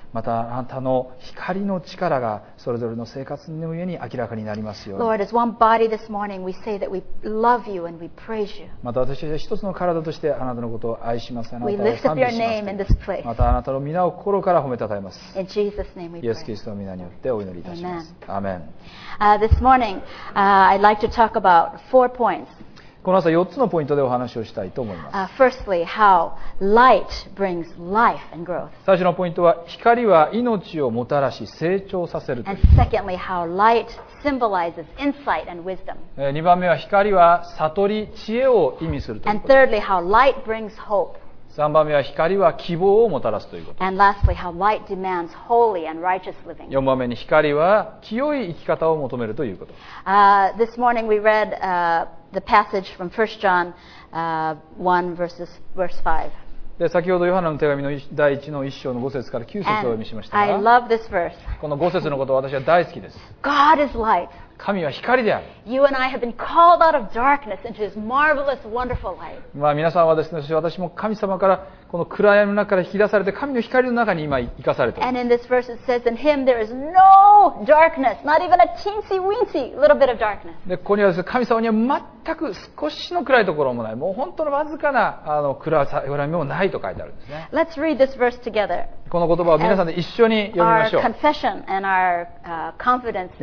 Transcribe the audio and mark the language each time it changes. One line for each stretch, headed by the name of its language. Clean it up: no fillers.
Japanese: またあなたの光の力がそれぞれの生活の上に明らかになりますように。
English: Lord, as one body this morning, we say that we love you and we praise you.
Japanese: また私たちは一つの体としてあなたのことを愛します。あなたを賛美します。
English: We lift up your name in this place.
Japanese: またあなたの皆を心から褒めたたえます。
English: In Jesus' name we pray.
Japanese: イエス・キリストの皆によってお祈りいたします。
English: Amen. Amen. This morning, I'd like to talk about four points.
Japanese: この朝4つのポイントでお話をしたいと思います。
English: Firstly, how light brings life and growth.
Japanese: 最初のポイントは、光は命をもたらし成長させるという。
English: And secondly, how light symbolizes insight and wisdom.
Japanese: 2番目は、光は悟り、知恵を意味するということ。
English: And thirdly, how light brings hope.
Japanese: 3番目は、光は希望をもたらすということ。
English: And lastly, how light demands holy and righteous living.
Japanese: 4番目に、光は清い生き方を求めるということ。
English: This morning we read, The passage from 1 John 1 verse 5.
Japanese: 先ほどヨハネの手紙の第1の1章の5節から9節をお読みしましたが
English: I love this verse.
Japanese: この5節のことを私は大好きです。
English: God is light.
Japanese: 神は光である。
English: You and I have been called out of darkness into His marvelous, wonderful light.
Japanese: まあ皆さんはですね、私も神様からこの暗闇の中から引き出されて、神の光の中に今生かされている。
English: And in this verse it says, in Him there is no darkness, not even a teensy weensy little bit of darkness.
Japanese: で、ここにはですね、神様には全く少しの暗いところもない、もう本当のわずかな暗さ、暗闇もないと書いてあるんですね。
English: Let's read this verse together.
Japanese: この言葉を皆さんで一緒に読みましょう。
English: Our confession and our confidence in His word.